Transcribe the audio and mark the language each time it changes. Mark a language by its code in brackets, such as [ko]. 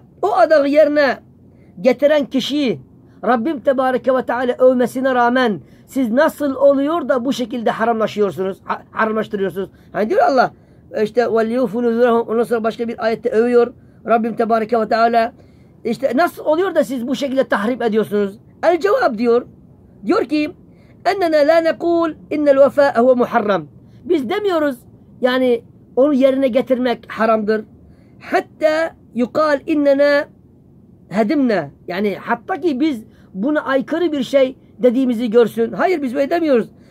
[tr] O adağı yerine getiren kişiyi Rabbim Tebareke ve Teala övmesine rağmen siz nasıl oluyor da bu şekilde haramlaşıyorsunuz, haramlaştırıyorsunuz? Hani diyor Allah işte [ar] وَلْيُوفُ نُذُرَهُمْ. [tr] Ondan sonra başka bir ayette övüyor Rabbim Tebareke ve Teala. İşte nasıl oluyor da siz bu şekilde tahrip ediyorsunuz? El cevap diyor. Diyor ki [ar] اَنَّنَا لَا نَقُولْ اِنَّ الْوَفَاءَ هُوَ مُحَرَّمْ. [tr] Biz demiyoruz yani onu yerine getirmek haramdır. [ar] حَتَّى يُقَالْ اِنَّنَا هَدِمْنَا. [tr] Yani hatta ki biz buna aykırı bir şey dediğimizi görsün. Hayır, biz böyle demiyoruz.